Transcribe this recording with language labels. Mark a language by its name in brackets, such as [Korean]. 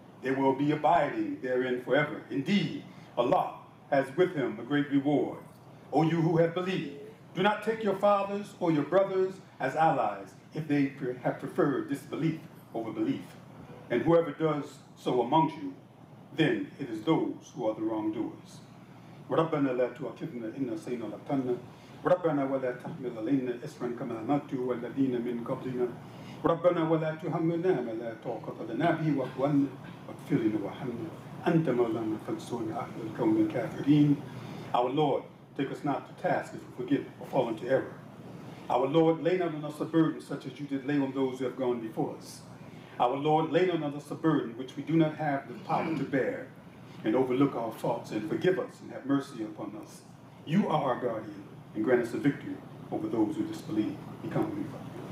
[English] They will be abiding therein forever. Indeed, Allah has with him a great reward. O you who have believed, do not take your fathers or your brothers as allies if they have preferred disbelief over belief. And whoever does so amongst you, then it is those who are the wrongdoers. [Arabic] ربنا لا تؤاخذنا إن نسينا ولا تنسنا ربنا ولا تحمل علينا إصرا كما حملته والذين من قبلنا ربنا ولا تحملنا ما لا طاقة لنا به واعفو عنا واغفر لنا وارحمنا أنت مولانا فانصرنا على القوم الكافرين. [English] Our Lord, take us not to task if we forget or fall into error. Our Lord, lay not on us a burden such as you did lay on those who have gone before us. Our Lord, lay not on us a burden which we do not have the power to bear, and overlook our faults, and forgive us, and have mercy upon us. You are our guardian, and grant us the victory over those who disbelieve. Become with me, Father.